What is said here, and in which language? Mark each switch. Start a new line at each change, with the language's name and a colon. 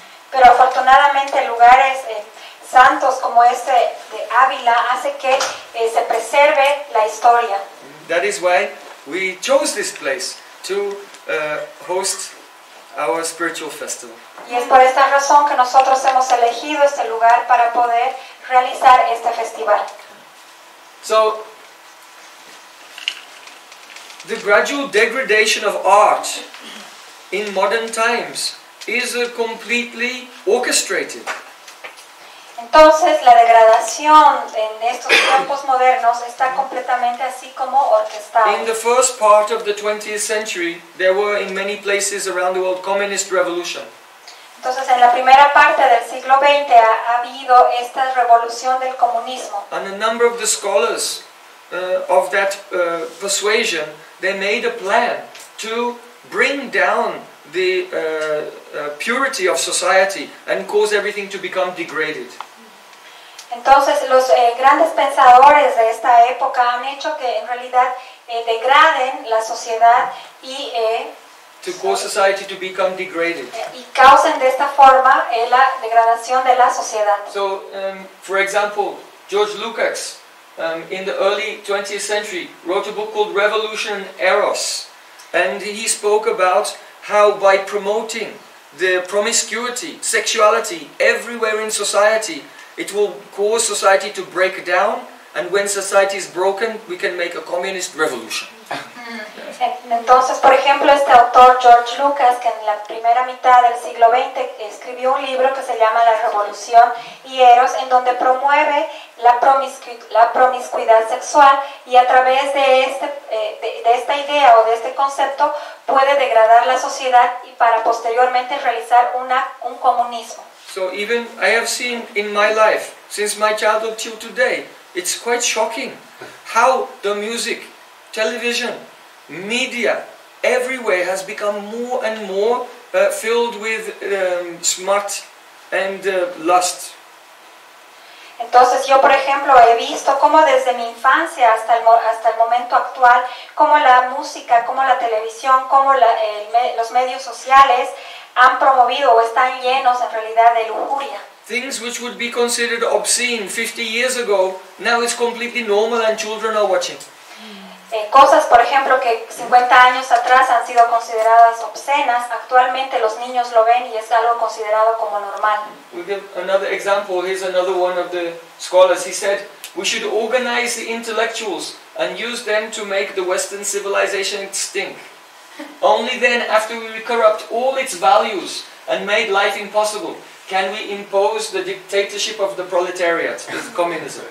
Spanish: Pero afortunadamente lugares santos como este de Ávila hace que se preserve la historia.
English: That is why we chose this place to host our spiritual festival.
Spanish: Y es por esta razón que nosotros hemos elegido este lugar para poder realizar este festival.
English: So, the gradual degradation of art in modern times is completely orchestrated.
Spanish: Entonces, la degradación en estos tiempos modernos está completamente así como orquestada.
English: In the first part of the 20th century, there were in many places around the world communist revolution.
Spanish: Entonces, en la primera parte del siglo XX ha habido esta revolución del comunismo.
English: And a number of the scholars of that persuasion, they made a plan to bring down the purity of society and cause everything to become degraded.
Spanish: Entonces, los grandes pensadores de esta época han hecho que en realidad degraden la sociedad y
English: to cause society to become degraded.
Spanish: Y causen de esta forma la degradación de la sociedad.
English: So, for example, George Lukács, in the early 20th century, wrote a book called Revolution Eros. And he spoke about how by promoting the promiscuity, sexuality, everywhere in society, it will cause society to break down. And when society is broken, we can make a communist revolution.
Spanish: Entonces, por ejemplo, este autor George Lucas, que en la primera mitad del siglo XX escribió un libro que se llama La Revolución y Eros, en donde promueve la promiscuidad sexual, y a través de esta idea o de este concepto puede degradar la sociedad y para posteriormente realizar un comunismo.
English: So even I have seen in my life, since my childhood till today, it's quite shocking how the music, television, media, everywhere has become more and more filled with smut and lust.
Spanish: Entonces, yo por ejemplo he visto cómo desde mi infancia hasta el momento actual, cómo la música, cómo la televisión, cómo los medios sociales han promovido o están llenos en realidad de lujuria.
English: Things which would be considered obscene 50 years ago, now it's completely normal and children are watching.
Spanish: Cosas, por ejemplo, que 50 años atrás han sido consideradas obscenas, actualmente los niños lo ven y es algo considerado como normal.
English: We'll give another example. Here's another one of the scholars. He said, we should organize the intellectuals and use them to make the Western civilization extinct. Only then, after we corrupt all its values and made life impossible, can we impose the dictatorship of the proletariat, the communism.